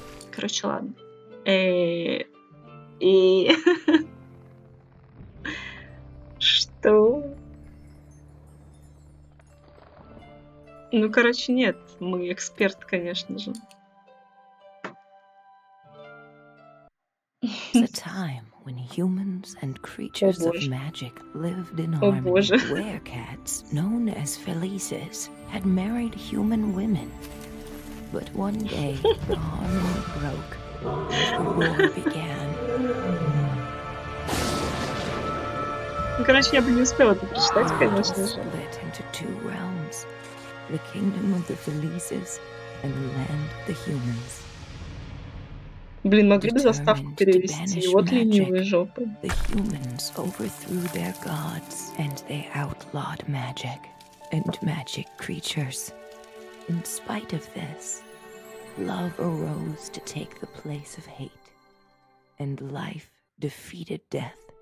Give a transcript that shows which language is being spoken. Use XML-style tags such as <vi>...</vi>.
<ru>Короче, ладно. И что? Ну, короче, нет, мы эксперт, конечно же.</ru> <en>It's a time when humans and creatures of magic lived in</en> <ru>О</ru> <en>harmony.</en> <ru>боже.</ru> <en>Werecats, known as Felices, had married human women. But one day the harmony broke, and a war began.</en> <ru>Ну, короче, я бы не успела это прочитать, конечно же.</ru> <en>Split into two realms, the kingdom of the Felices and the land of the humans.</en> <ru>Блин, могли бы заставку перевести, вот ленивые жопы.</ru> <en>The humans overthrew their gods, and they outlawed magic and magic creatures. In spite of this, love arose to take the place of hate, and life defeated death.</en>